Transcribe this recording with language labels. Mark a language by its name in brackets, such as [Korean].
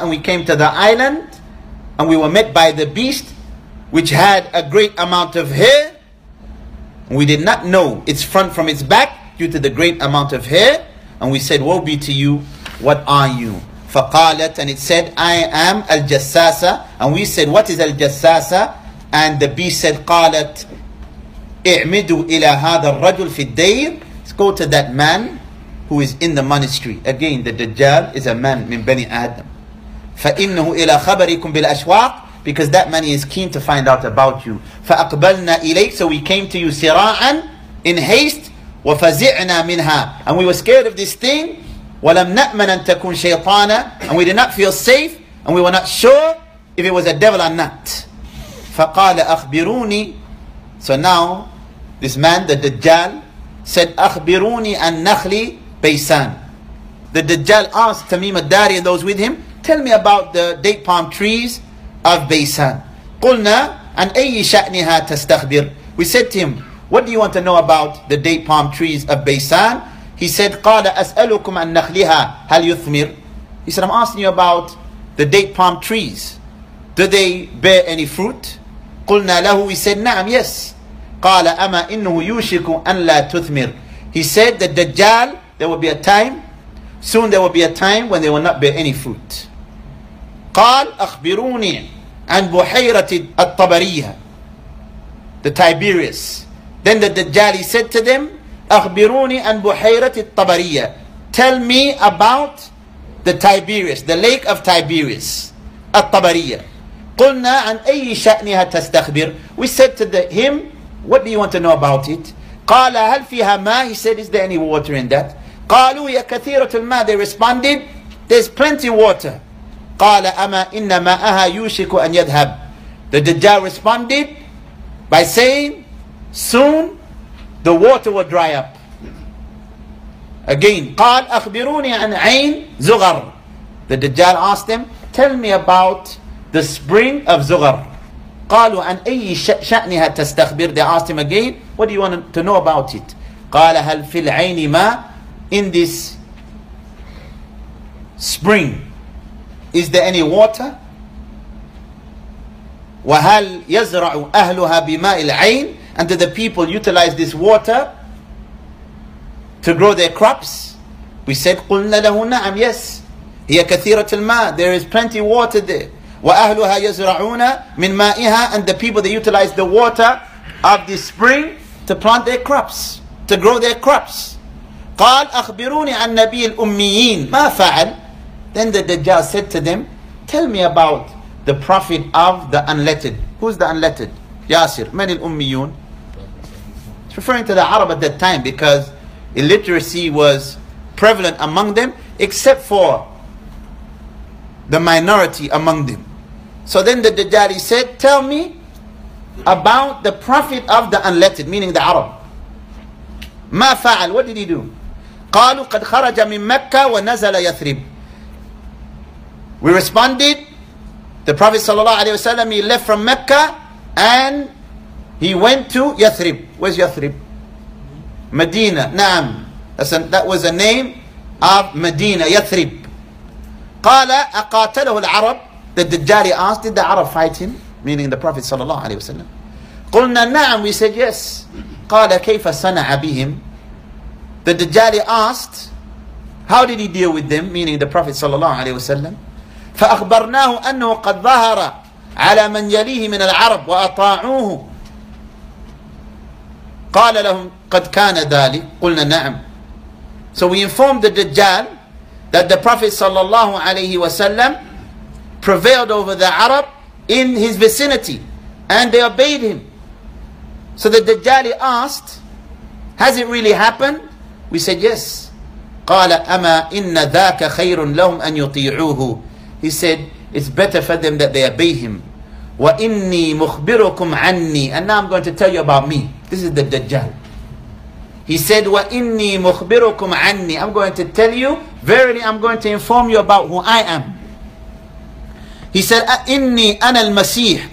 [English] And we came to the island and we were met by the beast which had a great amount of hair. We did not know its front from its back due to the great amount of hair. And we said, woe be to you, what are you? فَقَالَتْ, and it said, I am Al-Jassasa. And we said, what is Al-Jassasa? And the beast said, [Arabic] قَالَتْ, اِعْمِدُوا إِلَى هَذَا الرَّجُلْ فِي الدَّيْرِ. [English] Let's go to that man who is in the monastery. Again, the Dajjal is a man, [Arabic] مِنْ بَنِي آدَمْ. فَإِنَّهُ إِلَى خَبَرِكُمْ بِالْأَشْوَاقِ. [English] Because that man is keen to find out about you. [Arabic] فَأَقْبَلْنَا إِلَيْكَ. [English] So we came to you siraan, in haste. [Arabic] وَفَزِعْنَا مِنْهَا. [English] And we were scared of this thing. [Arabic] وَلَمْ نَأْمَنَ أَن تَكُونَ شَيْطَانًا. [English] And we did not feel safe. And we were not sure if it was a devil or not. [Arabic] فَقَالَ أَخْبِرُونِي. [English] So now, this man, the Dajjal, said, [Arabic] أَخْبِرُونِي أَن نَخْلِي بَيْسَان. [English] The Dajjal asked Tamim al-Dari and those with him, tell me about the date palm trees of Baysan. [Arabic] قُلْنَا أَن أَيِّ شَأْنِهَا تَسْتَخْبِرْ. [English] We said to him, what do you want to know about the date palm trees of Baysan? He said, [Arabic] قَالَ أَسْأَلُكُمْ أَن نَخْلِهَا هَلْ يُثْمِرْ. [English] He said, I'm asking you about the date palm trees. Do they bear any fruit? [Arabic] قُلْنَا لَهُ. [English] We said, نَعَمْ, yes. [Arabic] قَالَ أَمَا إِنُّهُ يُوشِكُ أَن لَا تُثْمِرْ. [English] He said, the Dajjal, there will be a time, soon there will be a time when they will not bear any fruit. [Arabic] قَالْ أَخْبِرُونِي عَنْ بُحَيْرَةِ الطَّبَرِيَّةِ, the Tiberius. [English] Then the Dajjal, he said to them, [Arabic] أَخْبِرُونِي عَنْ بُحَيْرَةِ الطَّبَرِيَّةِ. [English] Tell me about the Tiberius, the lake of Tiberius, الطَّبَرِيَّةِ. [Arabic] قُلْنَا عَنْ أَيِّ شَأْنِهَا تَسْتَخْبِرْ. [English] We said to him, what do you want to know about it? [Arabic] قَالَ هَلْ فِيهَا مَا. [English] He said, is there any water in that? [Arabic] قَالُوا يَا كَثِيرَةُ الْمَا. [English] They responded, there's plenty water. [Arabic] قَالَ أَمَا إِنَّ مَاءَهَا يُوشِكُ أَنْ يَذْهَبْ. [English] The Dajjal responded by saying, soon the water will dry up. [Arabic] Again, قال أخبروني عن عين زغر. [English] The Dajjal asked them, tell me about the spring of زغر. [Arabic] قالوا عن أي شأنها تستخبر. [English] They asked him again, what do you want to know about it? [Arabic] قال هل في العين ما. [English] In this spring, is there any water? [Arabic] وهل يزرع أهلها بماء العين. [English] And do the people utilize this water to grow their crops? We said, [Arabic] قلنا له نعم, [English] yes. [Arabic] هي كثيرة الماء. [English] There is plenty water there. [Arabic] وأهلها يزرعون من مائها. [English] And the people, they utilize the water of the spring to plant their crops, to grow their crops. [Arabic] قال أخبروني عن نبي الأميين. ما فعل. [English] Then the Dajjal said to them, tell me about the prophet of the unlettered. Who's the unlettered? ياسر. [Arabic] من الأميون. [English] Referring to the Arab at that time, because illiteracy was prevalent among them, except for the minority among them. So then the Dajjal said, tell me about the prophet of the unlettered, meaning the Arab. [Arabic] ما فعل, [English] what did he do? [Arabic] قالوا قد خرج من مكة ونزل يثرب. [English] We responded, the Prophet sallallahu alaihi wasallam, he left from Mecca and he went to Yathrib. Where's Yathrib? Medina. Naam. That was the name of Medina, Yathrib. [Arabic] Qala aqatalahu al-Arab. [English] The Dajjali asked, did the Arab fight him? Meaning the Prophet sallallahu alaihi wasallam. [Arabic] Qulna naam. [English] We said yes. [Arabic] Qala kayfa sana'a bihim. [English] The Dajjali asked, how did he deal with them? Meaning the Prophet sallallahu alaihi wasallam. [Arabic] فأخبرناه أنه قد ظهر على من يليه من العرب وأطاعوه. قال لهم قد كان ذلك. قلنا نعم. [English] So we informed the Dajjal that the Prophet صلى الله عليه وسلم prevailed over the Arab in his vicinity and they obeyed him. So the Dajjal asked, has it really happened? We said yes. [Arabic] قال أما إن ذاك خير لهم أن يطيعوه. [English] He said, it's better for them that they obey him. [Arabic] وَإِنِّي مُخْبِرُكُمْ عَنِّي. [English] And now I'm going to tell you about me. This is the Dajjal. He said, [Arabic] وَإِنِّي مُخْبِرُكُمْ عَنِّي. [English] I'm going to tell you, verily I'm going to inform you about who I am. He said, [Arabic] إِنِّي أَنَا الْمَسِيحِ.